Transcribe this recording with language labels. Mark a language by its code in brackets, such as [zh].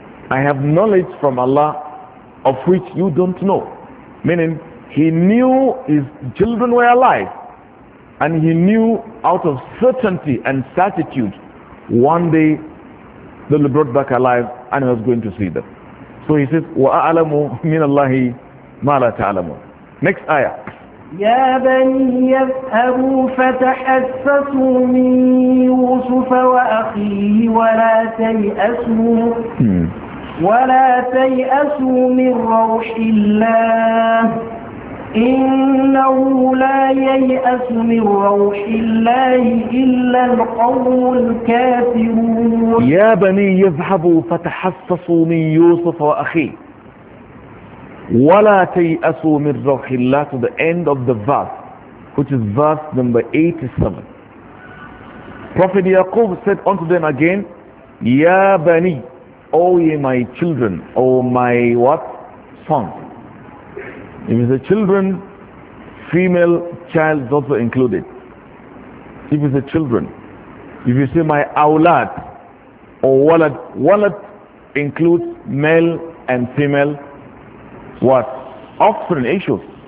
[en] I have knowledge from Allah of which you don't know. Meaning, he knew his children were alive, and he knew out of certainty and certitude one day they'll be brought back alive and he was going to see them. So he says, [ar] وَأَعْلَمُ مِنَ اللَّهِ مَا لَا تَعْلَمُونَ. [en] Next ayah. [ar] يا بني اذهبوا فتحسسوا من يوسف وأخيه ولا تيأسوا ولا تيأسوا من روح الله إنه لا ييأس من روح الله إلا القوم الكافرون. يا بني يذهبوا فتحسسوا من يوسف وأخيه ولا تيأسوا من روح الله, [en] to the end of the verse, which is verse number 87. Prophet Yaqub said unto them again, Ya Bani, O ye my children, O my what? Sons. If it's a children, female child is also included. If it's a children, if you say my awlad or walad, walad includes male and female. What? Offspring issues.